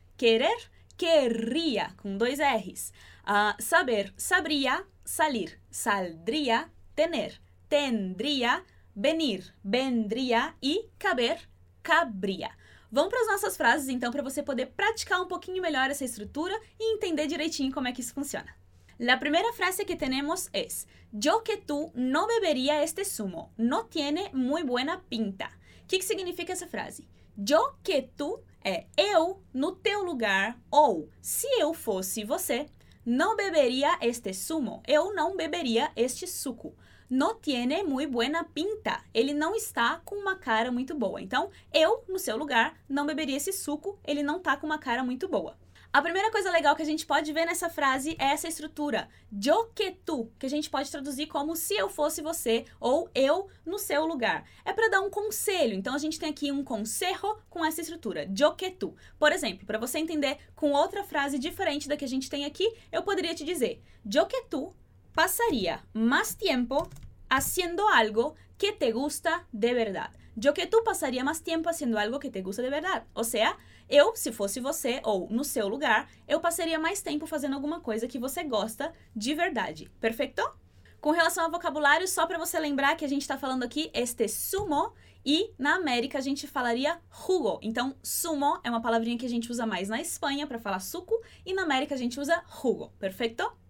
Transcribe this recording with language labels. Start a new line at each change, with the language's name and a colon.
Spanish: Querer, querría,
Portuguese: com dois R's.
Spanish: Saber, sabría. Salir, saldría. Tener, tendría. Venir, vendría. E caber, cabría.
Portuguese: Vamos para as nossas frases, então, para você poder praticar um pouquinho melhor essa estrutura e entender direitinho como é que isso funciona.
Spanish: La primera frase que tenemos es, yo que tú no bebería este zumo, no tiene muy buena pinta. ¿Qué significa esa frase? Yo que tú
Portuguese: é eu no teu lugar, ou se eu fosse você,
Spanish: no bebería este zumo,
Portuguese: eu não beberia este suco.
Spanish: No tiene muy buena pinta,
Portuguese: ele não está com uma cara muito boa. Então, eu no seu lugar não beberia esse suco, ele não está com uma cara muito boa. A primeira coisa legal que a gente pode ver nessa frase é essa estrutura,
Spanish: yo que tú,
Portuguese: que a gente pode traduzir como se eu fosse você ou eu no seu lugar. É para dar um conselho, então a gente tem aqui um consejo com essa estrutura,
Spanish: yo que tú.
Portuguese: Por exemplo, para você entender com outra frase diferente da que a gente tem aqui, eu poderia te dizer,
Spanish: yo que tú
Portuguese: passaria mais tempo
Spanish: haciendo algo que te gusta de verdad. Yo que tú pasaría más tiempo haciendo algo que te gusta de verdad. O sea,
Portuguese: eu, se fosse você ou no seu lugar, eu passaria mais tempo fazendo alguma coisa que você gosta de verdade. Perfeito? com relação ao vocabulário, só para você lembrar que a gente está falando aqui este sumo e na América a gente falaria jugo. Então, sumo é uma palavrinha que a gente usa mais na Espanha para falar suco e na América a gente usa jugo, perfeito?